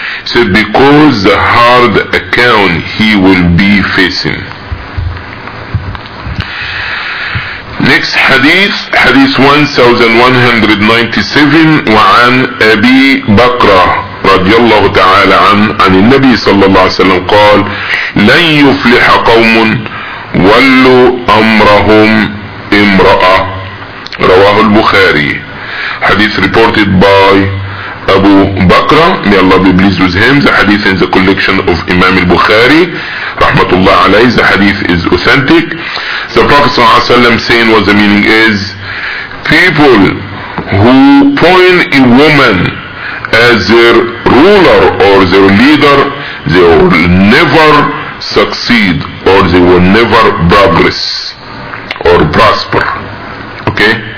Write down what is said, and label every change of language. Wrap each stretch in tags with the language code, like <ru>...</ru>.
<en>So because the hard account he will be facing. Next hadith, hadith 1197,</en> <ar>وعن أبي بكر رضي الله تعالى عن النبي صلى الله عليه وسلم قال: لن يفلح قوم ولوا امرهم امرأة. رواه البخاري.</ar> <en>حديث reported by أبو بكر، may Allah be pleased with him. The hadith in the collection of Imam al-Bukhari</en> <ar>رحمة الله عليه.</ar> <en>The hadith is authentic. The Prophet</en> <ar>صلى الله عليه وسلم</ar> <en>saying what the meaning is: people who point a woman as their ruler or their leader, they will never succeed or they will never progress or prosper. Okay.</en>